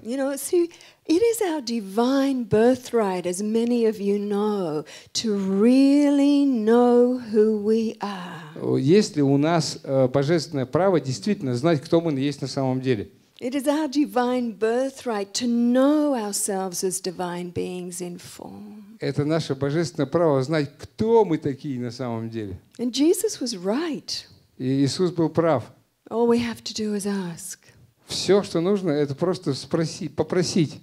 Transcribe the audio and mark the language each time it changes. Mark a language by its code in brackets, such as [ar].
[en] You know, see, it is our divine birthright, as many of you know, to really know who we are. [ru] Есть ли у нас божественное право действительно знать, кто мы есть на самом деле? [en] It is our divine birthright to know ourselves as divine beings in form. [ru] Это наше божественное право знать, кто мы такие на самом деле. [en] And Jesus was right. [ru] И Иисус был прав. [en] All we have to do is ask. [ru] Все, что нужно, это просто спросить, попросить.